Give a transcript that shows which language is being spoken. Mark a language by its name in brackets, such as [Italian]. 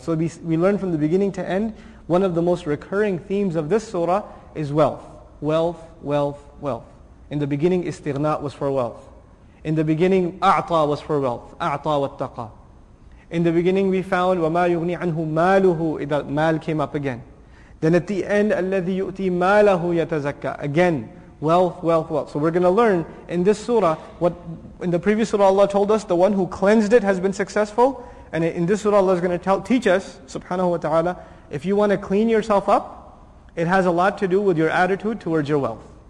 [English] So we learn from the beginning to end, one of the most recurring themes of this surah is wealth. Wealth, wealth, wealth. In the beginning, istighna was for wealth. In the beginning, a'ta was for wealth. A'ta wa taqa. In the beginning, we found [Arabic] وَمَا يُغْنِي عَنْهُ مَالُهُ إِذَا مَال [English] came up again. Then at the end, [Arabic] الَّذِي يُؤْتِي مَا لَهُ يَتَزَكَّى. [English] Again, wealth, wealth, wealth. So we're going to learn in this surah what in the previous surah Allah told us, the one who cleansed it has been successful. And in this surah Allah is going to teach us, subhanahu wa ta'ala, if you want to clean yourself up, it has a lot to do with your attitude towards your wealth.